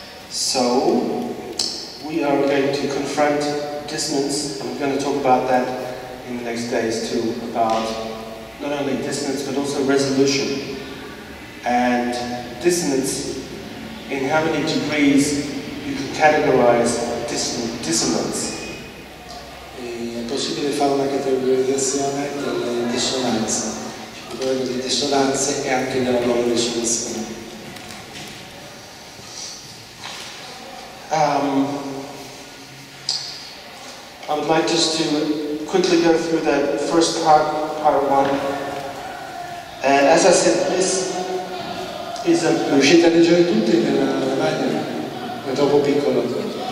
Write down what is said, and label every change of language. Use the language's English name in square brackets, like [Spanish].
[English] So, we are going to confront dissonance, and we're going to talk about that in the next days too, about not only dissonance but also resolution. And dissonance, in how many degrees you can categorize dissonance? [Italian] È possibile fare una categorizzazione delle dissonanze, il problema delle dissonanze e anche della loro risoluzione. [English] I would like just to quickly go through that first part one. And as I said, this is a... [Italian] Riuscite a leggere tutti nella lavagna? È troppo piccolo.